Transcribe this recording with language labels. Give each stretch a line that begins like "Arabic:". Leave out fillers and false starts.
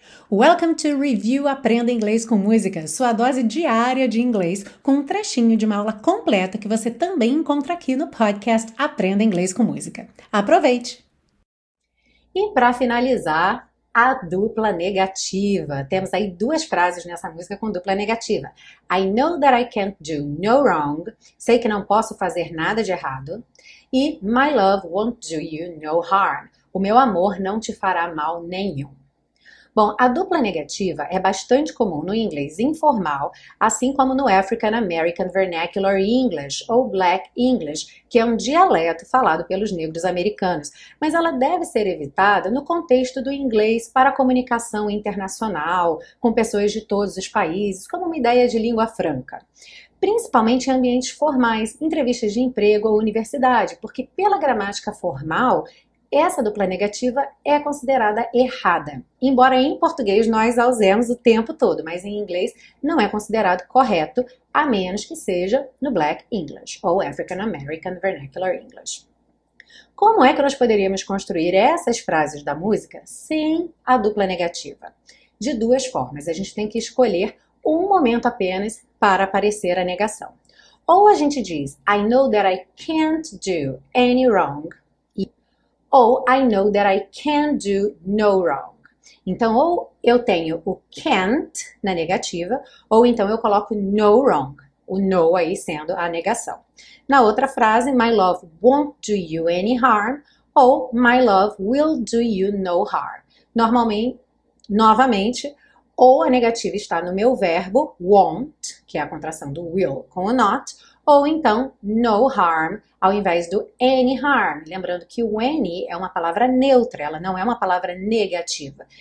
English: Welcome to Review
Portuguese: Aprenda Inglês com Música, sua dose diária de inglês, com um trechinho de uma aula completa que você também encontra aqui no podcast Aprenda Inglês com Música. Aproveite! E para finalizar, a dupla negativa. Temos aí duas frases nessa música com dupla negativa.
English: I know that I can't do no wrong.
Portuguese: Sei que não posso fazer nada de errado.
English: E my love won't do you no harm.
Portuguese: O meu amor não te fará mal nenhum. Bom, a dupla negativa é bastante comum no inglês informal, assim como no African American Vernacular English, ou Black English, que é um dialeto falado pelos negros americanos, mas ela deve ser evitada no contexto do inglês para comunicação internacional, com pessoas de todos os países, como uma ideia de língua franca. Principalmente em ambientes formais, entrevistas de emprego ou universidade, porque pela gramática formal, essa dupla negativa é considerada errada. Embora em português nós a usemos o tempo todo, mas em inglês não é considerado correto, a menos que seja no Black English ou African American Vernacular English. Como é que nós poderíamos construir essas frases da música sem a dupla negativa? De duas formas. A gente tem que escolher um momento apenas para aparecer a negação. Ou a gente diz,
English: I know that I can't do any wrong. Ou, I know that I can do no wrong.
Portuguese: Então, ou eu tenho o can't na negativa, ou então eu coloco no wrong, o no aí sendo a negação. Na outra frase,
English: my love won't do you any harm, ou my love will do you no harm.
Portuguese: Normalmente, novamente, ou a negativa está no meu verbo won't, que é a contração do will com o not, ou então, no harm, ao invés do any harm. Lembrando que o any é uma palavra neutra, ela não é uma palavra negativa.